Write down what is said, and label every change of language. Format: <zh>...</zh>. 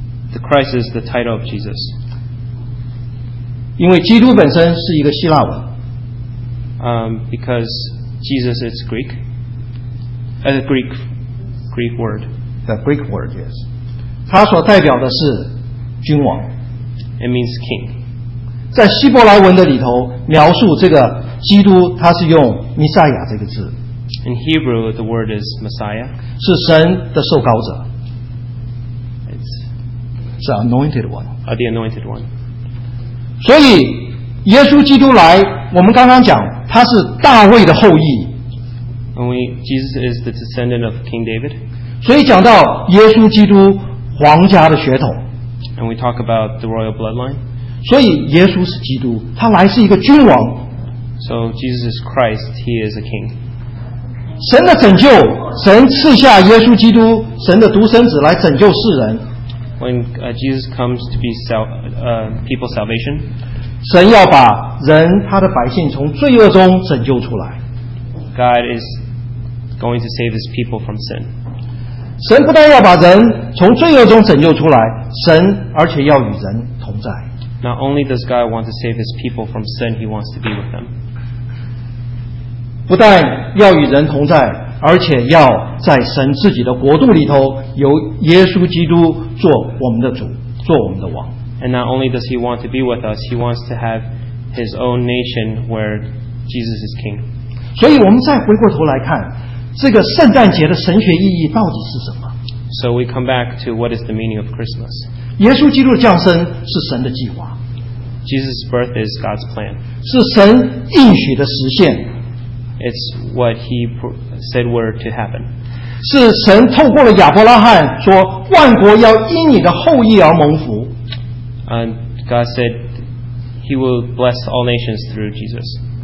<en>The Christ is the title of Jesus.</en> <zh>因为基督本身是一个希腊文。</zh> <en>Because Jesus is Greek. Greek word. The Greek word, yes.</en> <zh>它所代表的是君王。</zh> <en>It means king.</en> <zh>在希伯来文的里头描述这个基督它是用弥赛亚这个字。</zh> <en>In Hebrew, the word is Messiah.</en> <zh>是神的受膏者。</zh> <en>It's the anointed one. The anointed one.</en> <zh>所以耶稣基督来，我们刚刚讲他是大卫的后裔。</zh> <en>Jesus is the descendant of King David.</en> <zh>所以讲到耶稣基督皇家的血统。</zh> <en>And we talk about the royal bloodline.</en> <zh>所以耶稣是基督，他来是一个君王。</zh> <en>So Jesus is Christ, he is a king.</en> <zh>神的拯救，神赐下耶稣基督，神的独生子来拯救世人。</zh> <en>When Jesus comes to be people's salvation,</en> <zh>神要把人他的百姓从罪恶中拯救出来。</zh> <en>God is going to save his people from sin.</en> <zh>神不但要把人从罪恶中拯救出来，神而且要与人同在。</zh> <en>Not only does God want to save his people from sin, he wants to be with them.</en> <zh>不但要与人同在，而且要在神自己的国度里头由耶稣基督做我们的主，做我们的王。</zh> <en>And not only does he want to be with us, he wants to have his own nation where Jesus is king.</en> <zh>所以我们再回过头来看这个圣诞节的神学意义到底是什么。</zh> <en>So we come back to what is the meaning of Christmas.</en> <zh>耶稣基督的降生是神的计划。</zh> <en>Jesus' birth is God's plan.</en> <zh>是神应许的实现。</zh> <en>It's what he said were to happen.</en> <zh>是神透过了亚伯拉罕说万国要因你的后裔而蒙福。</zh> <en>And God said he will bless all nations through Jesus.</en>